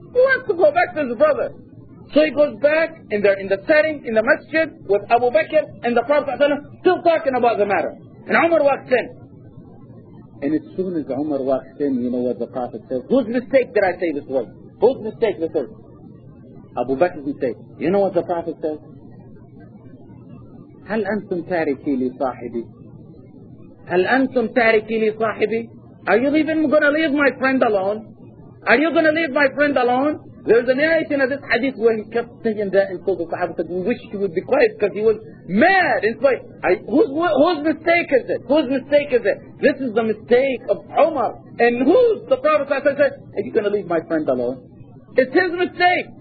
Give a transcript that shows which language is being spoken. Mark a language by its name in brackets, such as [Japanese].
[English] He wants to go back to his brother. So he goes back and they're in the setting, in the masjid, with Abu Bakr and the Prophet ﷺ still talking about the matter. And Umar walks in. And as soon as Umar walks in, you know what the Prophet says. Whose mistake did I say this was? Whose mistake this was? Abu Bakr's mistake. You know what the Prophet says? [Arabic] هل أنتم تاركي لي صاحبي؟ هل أنتم تاركي لي صاحبي؟ [English] Are you even going to leave my friend alone? Are you going to leave my friend alone? There's a narration of this hadith where he kept saying that and told the Sahaba that we wish he would be quiet because he was mad. It's like, whose mistake is it? Whose mistake is it? This is the mistake of Umar. And who's the Prophet said, are you going to leave my friend alone? It's his mistake.